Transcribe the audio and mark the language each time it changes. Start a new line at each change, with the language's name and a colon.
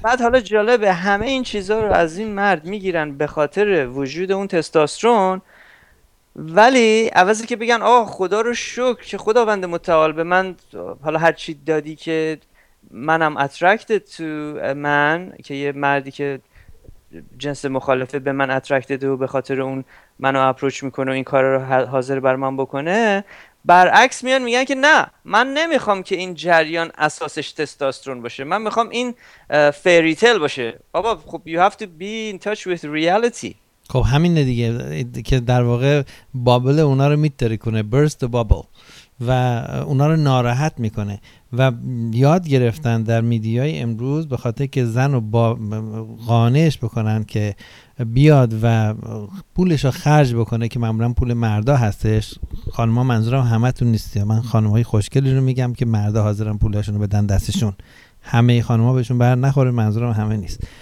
Persian: بعد حالا جالبه همه این چیزها رو از این مرد میگیرن به خاطر وجود اون تستاسترون، ولی عوضی که بگن آه خدا رو شکر که خداوند متعال به من حالا هر چی دادی که منم اترکتد تو من، که یه مردی که جنس مخالفه به من اترکتد و به خاطر اون منو اپروچ میکنه و این کار رو حاضر بر من بکنه، برعکس میان میگن که نه من نمیخوام که این جریان اساسش تستاسترون باشه، من میخوام این فریتل باشه. بابا خب
English: you have to be in touch with reality.
Persian: خب همینه دیگه که در واقع بابل اونا رو میتره کنه،
English: burst the bubble،
Persian: و اونا رو ناراحت میکنه. و یاد گرفتن در میدیای امروز به خاطر که زن رو قانعش بکنن که بیاد و پولش رو خرج بکنه، که معمولا پول مردا هستش، خانم ها منظورم همه تون نیستی، من خانم های خوشگلی رو میگم که مردا حاضرن پولشون رو بدن دستشون، همه خانم ها بهشون بر نخوره، منظورم همه نیست.